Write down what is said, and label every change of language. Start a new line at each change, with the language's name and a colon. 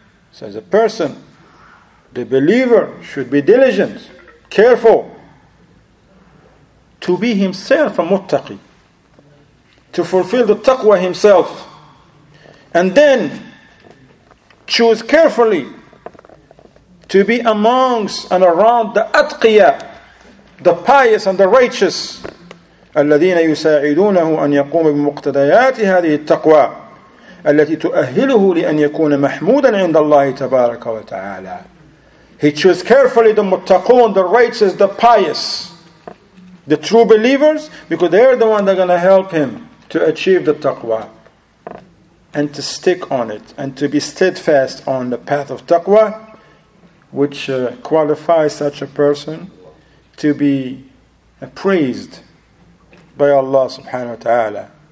English: So the person, the believer, should be diligent, careful to be himself a muttaqi, to fulfill the taqwa himself, and then choose carefully to be amongst and around the atqiya, the pious and the righteous.
Arabic: الذين يساعدونه أن يقوم بمقتضيات هذه التقوى التي تؤهله لأن يكون محمودا عند الله تبارك وتعالى.
English: He chose carefully the muttaqun, the righteous, the pious, the true believers, because they're the one that are going to help him to achieve the taqwa and to stick on it and to be steadfast on the path of taqwa, which qualifies such a person to be praised by Allah subhanahu wa ta'ala.